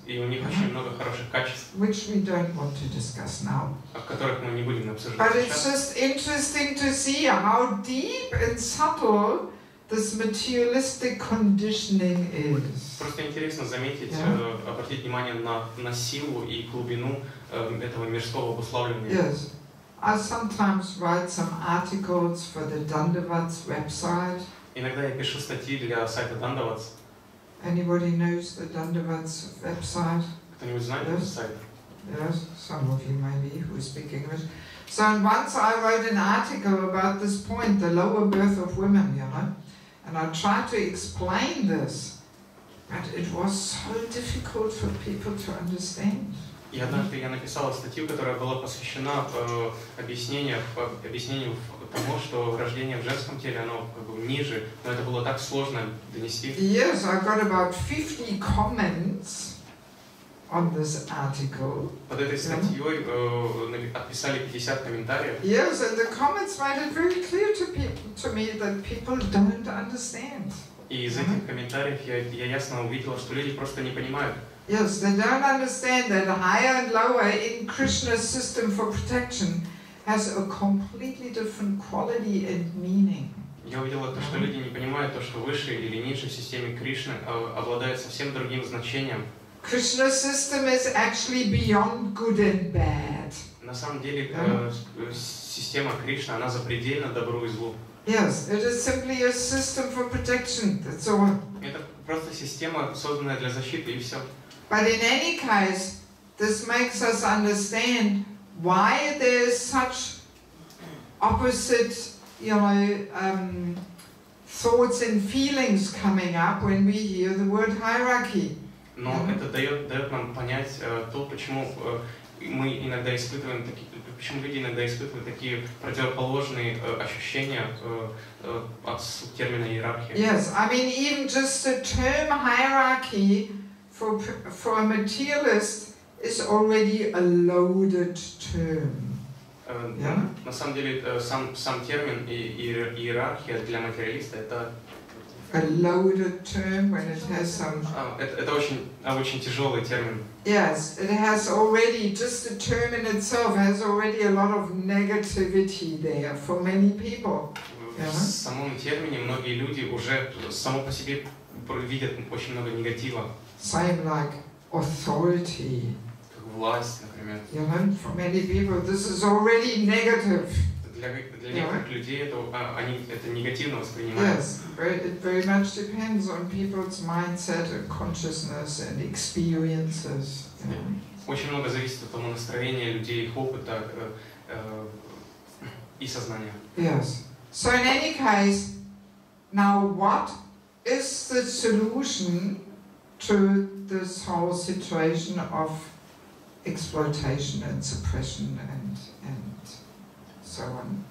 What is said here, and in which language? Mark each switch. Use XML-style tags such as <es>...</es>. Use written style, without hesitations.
<ru>И у них очень много хороших качеств.</ru> <en>Which we don't want to discuss now.</en> <ru>О которых мы не будем обсуждать сейчас.</ru> <en>But it's just interesting to see how deep and subtle this materialistic conditioning is.</en> <ru>Просто интересно заметить, обратить внимание на силу и глубину этого мирского обуславливания.</ru> <en>Yes. I sometimes write some articles for the Dandavats website.</en> <ru>Иногда я пишу статьи для сайта Dandavats.</ru> <en>Anybody knows the Dandavats website?</en> <ru>Кто-нибудь знает этот сайт?</ru> <en>Yes, some of you maybe who speak English. So once I wrote an article about this point, the lower birth of women, you know, and I tried to explain this, but it was so difficult for people to understand.</en> <ru>И однажды я написала статью, которая была посвящена объяснению тому, что рождение в женском теле, оно как бы ниже, но это было так сложно донести.</ru> <en>Yes, I got about 50 comments on this article.</en> <ru>Под этой статьей отписали 50 комментариев.</ru> <en>Yes, and the comments made it very clear to me that people don't understand.</en> <ru>И из этих комментариев я ясно увидела, что люди просто не понимают.</ru> <en>Yes, they don't understand that higher and lower in Krishna's system for protection has a completely different quality and meaning.</en> <ru>Я увидела то, что люди не понимают то, что выше или ниже в системе Кришны обладает совсем другим значением.</ru> <en>Krishna's system is actually beyond good and bad.</en> <ru>На самом деле, система Кришны, она запредельна добру и злу.</ru> <en>Yes, it is simply a system for protection. That's all.</en> <ru>Это просто система, созданная для защиты, и все.</ru> <en>But in any case, this makes us understand why there is such opposite, you know, thoughts and feelings coming up when we hear the word hierarchy.</en> <ru>Но это дает нам понять то, почему мы иногда испытываем такие, почему люди иногда испытывают такие противоположные ощущения от термина иерархия.</ru> <en>Yes, I mean even just the term hierarchy. For a materialist, is already a loaded term.</en> <ru>На самом деле сам термин иерархия для материалиста это</ru> <en>a loaded term when it has some.</en> <ru>Это очень тяжелый термин.</ru> <en>Yes, it has already just the term in itself has already a lot of negativity there for many people.</en> <ru>В самом термине многие люди уже само по себе видят очень много негатива.</ru> <en>Same like authority.</en> <ru>Как власть, например.</ru> <en>You know, for many people this is already negative.</en> <ru>Для некоторых людей это негативно воспринимают.</ru> <en>Yes, it very much depends on people's mindset and consciousness and experiences.</en> <ru>Очень много зависит от того настроения людей, их опыта и сознания.</ru> <en>Yes. So in any case, now what is the solution to this whole situation of exploitation and suppression and so on?</en>